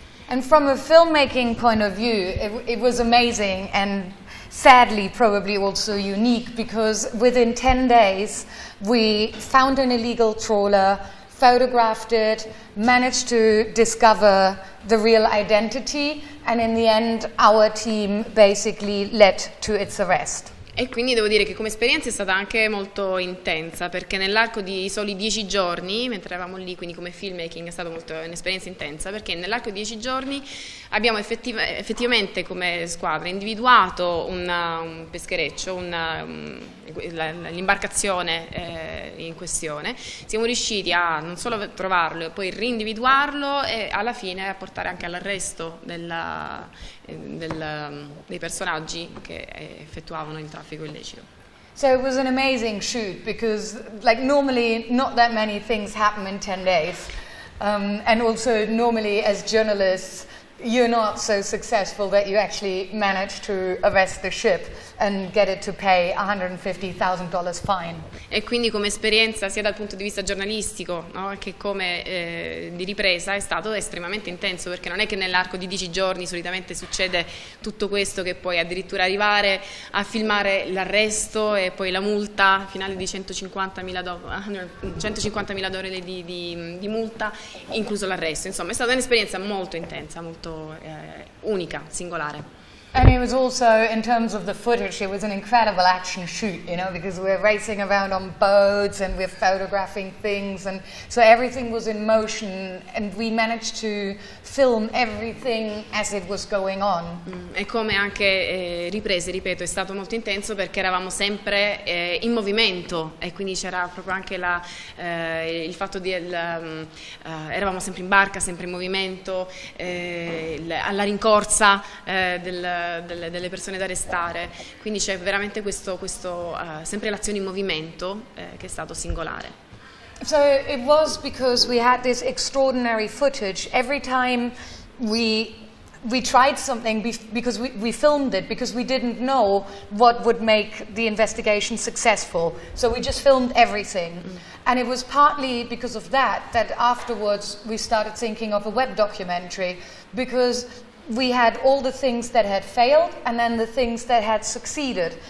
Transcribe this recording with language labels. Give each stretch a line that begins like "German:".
English: And from a filmmaking point of view, it was amazing and sadly probably also unique, because within 10 days we found an illegal trawler, photographed it, managed to discover the real identity, and in the end our team basically led to its arrest.
Italian: E quindi devo dire che come esperienza è stata anche molto intensa, perché nell'arco di soli 10 giorni, mentre eravamo lì, quindi come filmmaking è stata molto un'esperienza intensa, perché nell'arco di 10 giorni abbiamo effettivamente come squadra individuato un peschereccio, l'imbarcazione in questione. Siamo riusciti a non solo trovarlo e poi rindividuarlo e alla fine a portare anche all'arresto dei personaggi che effettuavano il traffico illecito.
English: So it was an amazing shoot, because like normally not that many things happen in 10 days, and also normally as journalists you're not so successful that you actually manage to arrest the ship and get it to pay $150,000 fine.
Italian: E quindi come esperienza sia dal punto di vista giornalistico, no, che come di ripresa è stato estremamente intenso, perché non è che nell'arco di 10 giorni solitamente succede tutto questo, che puoi addirittura arrivare a filmare l'arresto e poi la multa finale di $150,000 di multa, incluso l'arresto. Insomma, è stata un'esperienza molto intensa, molto unica, singolare.
English: And it was also, in terms of the footage, it was an incredible action shoot, you know, because we're racing around on boats and we're photographing things, and so everything was in motion and we managed to film everything as it was going on.
Italian: E come anche riprese, ripeto, è stato molto intenso, perché eravamo sempre in movimento, e quindi c'era proprio anche il fatto di eravamo sempre in barca, sempre in movimento, alla rincorsa delle persone da arrestare, quindi c'è veramente questo sempre l'azione in movimento che è stato singolare.
English: So it was because we had this extraordinary footage. Every time we tried something because we filmed it, because we didn't know what would make the investigation successful, so we just filmed everything. And it was partly because of that afterwards we started thinking of a web documentary, because we had all the things that had failed and then the things that had succeeded.